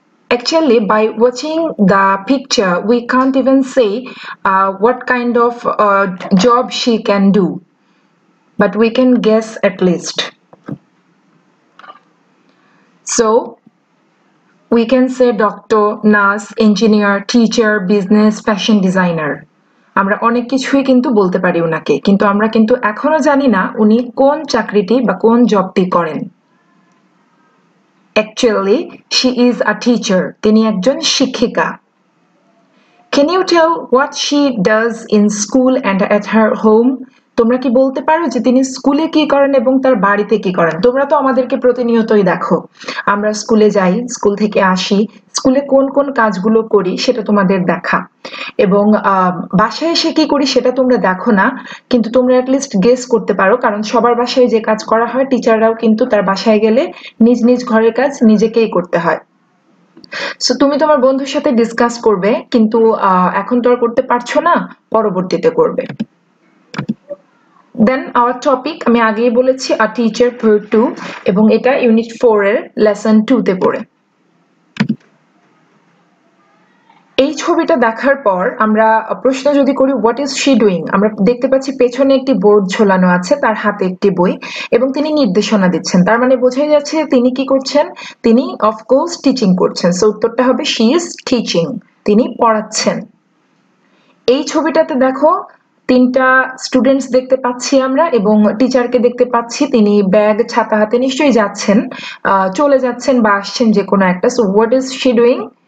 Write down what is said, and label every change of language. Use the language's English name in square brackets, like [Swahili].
[English] Actually, by watching the picture, we can't even say what kind of job she can do. But we can guess at least. So, we can say doctor, nurse, engineer, teacher, business, fashion designer. [Bangla] আমরা অনেক কিছুই কিন্তু বলতে পারি উনাকে, কিন্তু আমরা কিন্তু এখনো জানি না উনি কোন চাকরিটি বা কোন জবটি করেন. [English] Actually, she is a teacher. [Bangla] তিনি একজন শিক্ষিকা. [English] Can you tell what she does in school and at her home? [Bangla] তোমরা কি বলতে পারো যে তিনি স্কুলে কি করেন এবং তার বাড়িতে কি করেন? তোমরা তো আমাদেরকে প্রতিনিয়তই দেখো, আমরা স্কুলে যাই, স্কুল থেকে আসি, স্কুলে কোন কোন কাজগুলো করি সেটা তোমাদের দেখা, এবং বাসায় এসে কি করি সেটা তোমরা দেখো না, কিন্তু তোমরা অ্যাটলিস্ট গেস করতে পারো, কারণ সবার বাসায় যে কাজ করা হয় টিচাররাও কিন্তু তার বাসায় গেলে নিজ নিজ ঘরের কাজ নিজেকেই করতে হয়। সো তুমি তোমার বন্ধুর সাথে ডিসকাস করবে, কিন্তু এখন তো আর করতে পারছো না, পরবর্তীতে করবে। [English] Then our topic, [Bangla] আমি আগেই বলেছি, [English] a teacher per two, [Bangla] এবং এটা [English] unit 4 এর lesson 2 তে পড়ে। [Bangla] এই ছবিটা দেখার পর আমরা প্রশ্ন যদি করি, [English] what is she doing? [Bangla] আমরা দেখতে পাচ্ছি পেছনে একটি বোর্ড ঝোলানো আছে, তার হাতে একটি বই এবং তিনি নির্দেশনা দিচ্ছেন, তার মানে বোঝাই যাচ্ছে তিনি কি করছেন, তিনি অফ কোর্স টিচিং করছেন। সো উত্তরটা হবে [English] she is teaching, [Bangla] তিনি পড়াচ্ছেন। এই ছবিটাতে দেখো তিনটা স্টুডেন্টস দেখতে পাচ্ছি আমরা এবং টিচারকে দেখতে পাচ্ছি, তিনি ব্যাগ ছাতা হাতে নিশ্চয়ই যাচ্ছেন, চলে যাচ্ছেন বা আসছেন যে কোনো একটা। [English] So what is she doing?